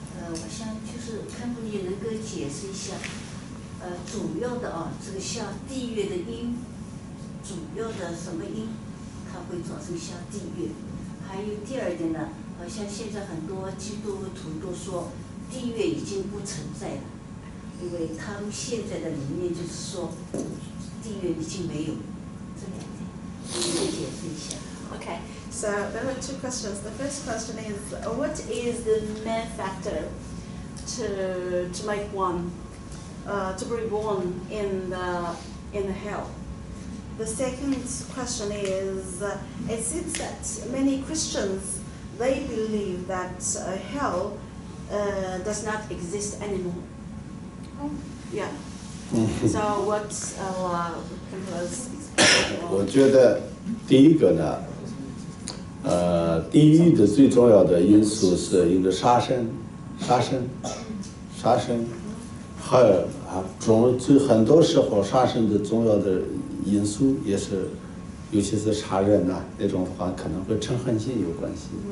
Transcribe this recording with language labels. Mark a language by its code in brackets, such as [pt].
[zh] 我想就是看不你能够解释一下，主要的这个下地狱的因，主要的什么因，它会造成下地狱？还有第二点呢？好像现在很多基督徒都说地狱已经不存在了，因为他们现在的理念就是说地狱已经没有，这两点你可以解释一下。 [en] OK, so there are two questions. The first question is, what is the main factor to make one to be born in the hell? The second question is, it seems that many Christiansthey believe that hell does not exist anymore. Yeah. So what was explained? [zh] 我觉得第一个呢，地狱的最重要的因素是因为杀生，很多时候杀生的重要的因素也是，尤其是杀人呐、那种的话，可能跟嗔恨心有关系。